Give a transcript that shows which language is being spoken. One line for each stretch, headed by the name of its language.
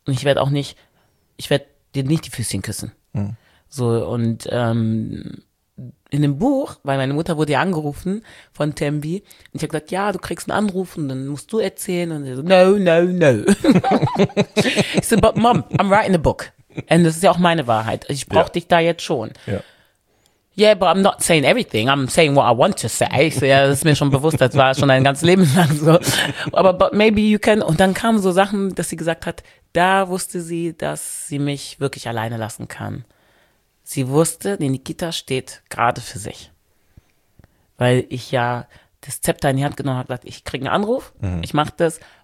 German: Und ich werde auch nicht, ich werde dir nicht die Füßchen küssen. So, und in dem Buch, weil meine Mutter wurde ja angerufen von Tembi und ich habe gesagt, ja, du kriegst einen Anruf und dann musst du erzählen und sie so,
English: no, no, no.
German: Ich so,
English: but Mom, I'm writing a book and
German: das ist ja auch meine Wahrheit, ich brauche dich da jetzt schon. Ja.
English: Yeah, but I'm not saying everything, I'm saying what I want to say.
German: Ich so, ja, das ist mir schon bewusst, das war schon ein ganzes Leben lang so. Aber
English: but maybe you can,
German: und dann kamen so Sachen, dass sie gesagt hat, da wusste sie, dass sie mich wirklich alleine lassen kann. Sie wusste, die Nikita steht gerade für sich. Weil ich ja das Zepter in die Hand genommen habe, gesagt, ich kriege einen Anruf, ich mache das.